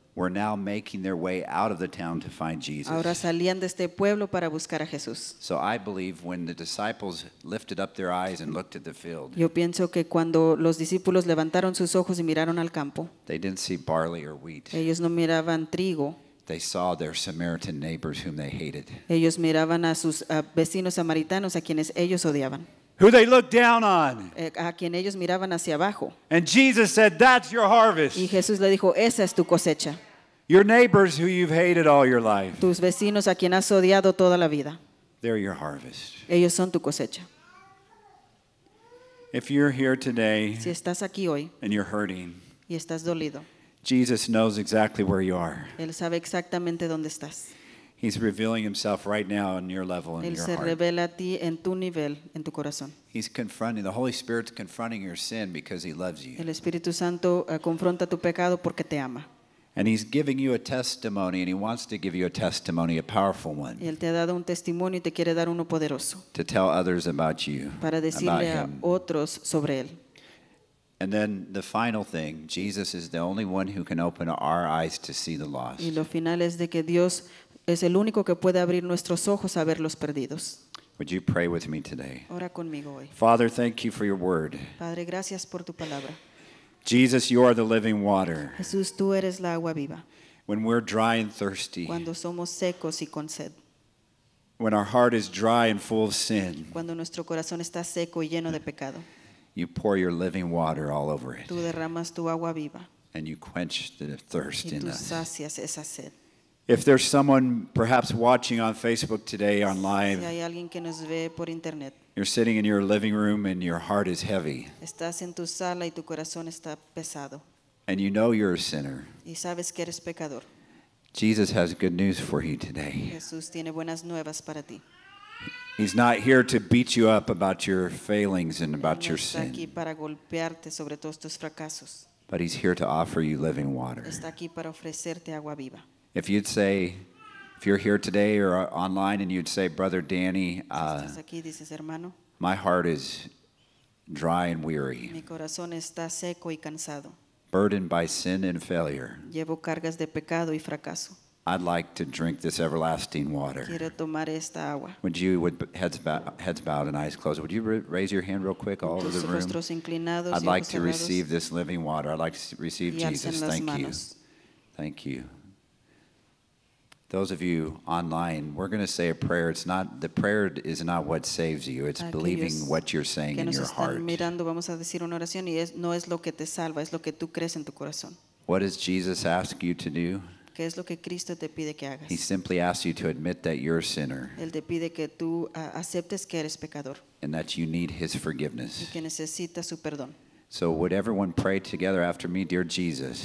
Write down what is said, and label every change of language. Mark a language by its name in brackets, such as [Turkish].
[English] Were now making their way out of the town to find Jesus. [Spanish] Ahora salían de este pueblo para buscar a Jesús. [English] So I believe when the disciples lifted up their eyes and looked at the field. [Spanish] Yo pienso que cuando los discípulos levantaron sus ojos y miraron al campo. [English] They didn't see barley or wheat. [Spanish] Ellos no miraban trigo. [English] They saw their Samaritan neighbors whom they hated. [Spanish] Ellos miraban a sus vecinos samaritanos a quienes ellos odiaban. [English] Who they looked down on. [Spanish] A quien ellos miraban hacia abajo. [English] And Jesus said, "That's your harvest." [Spanish] Y Jesús le dijo, "Esa es tu cosecha." [English] Your neighbors who you've hated all your life. [Spanish] Tus vecinos a quien has odiado toda la vida. [English] They're your harvest. [Spanish] Ellos son tu cosecha. [English] If you're here today. [Spanish] Si estás aquí hoy. [English] And you're hurting. [Spanish] Y estás dolido. [English] Jesus knows exactly where you are. [Spanish] Él sabe exactamente dónde estás. [English] He's revealing himself right now on your level in [Spanish] Él [English] your [Spanish] se [English] heart. [Spanish] Revela a ti en tu nivel, en tu corazón. [English] He's confronting, the Holy Spirit's confronting your sin because he loves you. [Spanish] El Espíritu Santo confronta tu pecado porque te ama. [English] And he's giving you a testimony, and he wants to give you a testimony, a powerful one. [Spanish] Y él te ha dado un testimonio y te quiere dar uno poderoso. [English] To tell others about you. [Spanish] Para decirle [English] about [Spanish] a [English] him. [Spanish] Otros sobre él. [English] And then the final thing, Jesus is the only one who can open our eyes to see the lost. [Spanish] Y lo final es de que Dios es el único que puede abrir nuestros ojos a ver los perdidos. [English] Would you pray with me today? [Spanish] Ora conmigo hoy. [English] Father, thank you for your word. [Spanish] Padre, gracias por tu palabra. [English] Jesus, you are the living water. [Spanish] Jesús, tú eres la agua viva. [English] When we're dry and thirsty. [Spanish] Cuando somos secos y con sed. [English] When our heart is dry and full of sin. [Spanish] Cuando nuestro corazón está seco y lleno de pecado. [English] You pour your living water all over it. [Spanish] Tú derramas tu agua viva. [English] And you quench the thirst [Spanish] y [English] in us. [Spanish] Y tú sacias esa sed. [English] If there's someone perhaps watching on Facebook today on live, [Spanish] si hay alguien que nos ve por internet, [English] you're sitting in your living room and your heart is heavy. [Spanish] Estás en tu sala y tu corazón está pesado. [English] And you know you're a sinner. [Spanish] Y sabes que eres pecador. [English] Jesus has good news for you today. [Spanish] Jesús tiene buenas nuevas para ti. [English] He's not here to beat you up about your failings and about your sin. [Spanish] Está aquí para golpearte sobre todos tus fracasos. [English] But he's here to offer you living water. [Spanish] Está aquí para ofrecerte agua viva. [English] If you'd say, if you're here today or online and you'd say, Brother Danny, my heart is dry and weary. [Spanish] Mi corazón está seco y cansado. [English] Burdened by sin and failure. [Spanish] Llevo cargas de pecado y fracaso. [English] I'd like to drink this everlasting water. [Spanish] Quiero tomar esta agua. [English] Would you, with heads bowed and eyes closed, would you raise your hand real quick all over the room? [Spanish] Rostros inclinados. [English] I'd like to receive this living water. I'd like to receive Jesus. Thank you. Thank you. Those of you online, we're going to say a prayer. It's not, the prayer is not what saves you. It's believing what you're saying in your heart. [Spanish] Mirando, vamos a decir una oración y es, no es lo que te salva, es lo que tú crees en tu corazón. [English] What does Jesus ask you to do? [Spanish] ¿Qué es lo que Cristo te pide que hagas? [English] He simply asks you to admit that you're a sinner. [Spanish] Él te pide que tú aceptes que eres pecador. [English] And that you need his forgiveness. [Spanish] Y que necesitas su perdón. [English] So would everyone pray together after me, dear Jesus?